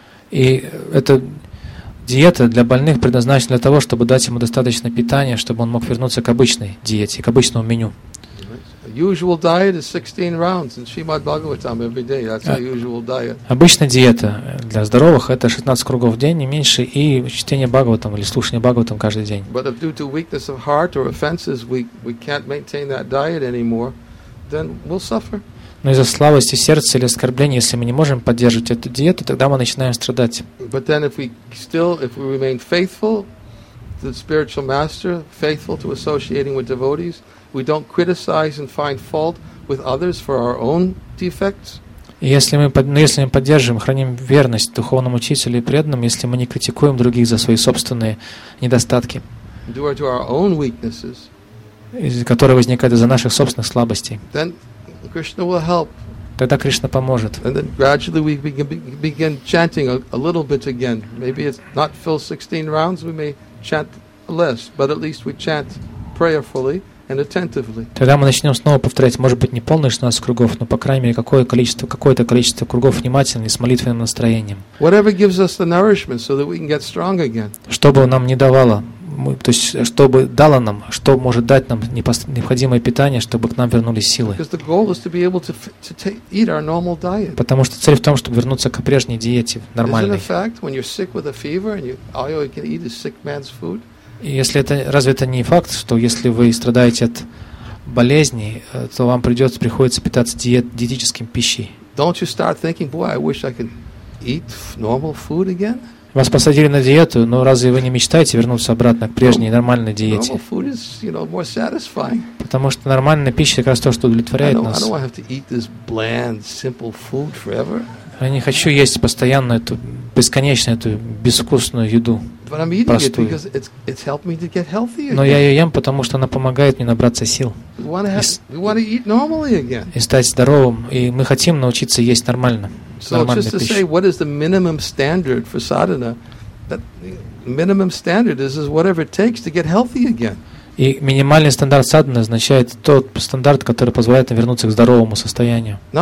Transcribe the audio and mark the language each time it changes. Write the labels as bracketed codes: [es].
[ru] И эта диета для больных предназначена для того, чтобы дать ему достаточно питания, чтобы он мог вернуться к обычной диете, к обычному меню. [en] Usual diet is 16 rounds in Srimad Bhagavatam every day. That's a usual diet. [ru] Обычная диета для здоровых это 16 кругов в день, не меньше, и чтение Бхагаватам или слушание Бхагаватам каждый день. [en] But if due to weakness of heart or offenses we can't maintain that diet anymore, then we'll suffer. [ru] Но из-за слабости сердца или оскорбления, если мы не можем поддерживать эту диету, тогда мы начинаем страдать. [en] But then if we remain faithful to the spiritual master, faithful to associating with devotees, we don't criticize and find fault with others for our own defects. [ru] Если мы поддерживаем, храним верность духовному учителю и преданным, если мы не критикуем других за свои собственные недостатки, [en] due to our own weaknesses, [ru] которые возникают из-за наших собственных слабостей, [en] then Krishna will help. [ru] Тогда Кришна поможет. [en] And then gradually we begin chanting a little bit again. Maybe it's not full 16 rounds. We may chant less, but at least we chant prayerfully. And attentively. [ru] Тогда мы начнем снова повторять, может быть, не полные 16 кругов, но по крайней мере какое-то количество кругов внимательно и с молитвенным настроением. [en] Whatever gives us the nourishment so that we can get strong again. [ru] Чтобы нам не давало, то есть чтобы дало нам, что может дать нам необходимое питание, чтобы к нам вернулись силы. [en] Because the goal is to be able to eat our normal diet. [ru] Потому что цель в том, чтобы вернуться к прежней диете, нормальной. [en] Isn't it a fact when you're sick with a fever and all you can eat is sick man's food? [ru] Разве это не факт, что если вы страдаете от болезни, то вам приходится питаться диетическим пищей? [en] Don't you start thinking, boy, I wish I could eat normal food again? [ru] Вас посадили на диету, но разве вы не мечтаете вернуться обратно к прежней нормальной диете? [en] Normal food is, you know, more satisfying. [ru] Потому что нормальная пища как раз то, что удовлетворяет нас. [en] I don't have to eat this bland, simple food forever. [ru] Я не хочу есть постоянно эту бесконечную, эту безвкусную еду. [en] But I'm eating it because it's helped me to get healthier. [ru] Но я ее ем, потому что она помогает мне набраться сил. [en] We want to eat normally again. [ru] И стать здоровым, и мы хотим научиться есть нормально. [en] So just to say, what is the minimum standard for sadhana? That minimum standard is whatever it takes to get healthy again. [ru] И минимальный стандарт садхана означает тот стандарт, который позволяет вернуться к здоровому состоянию.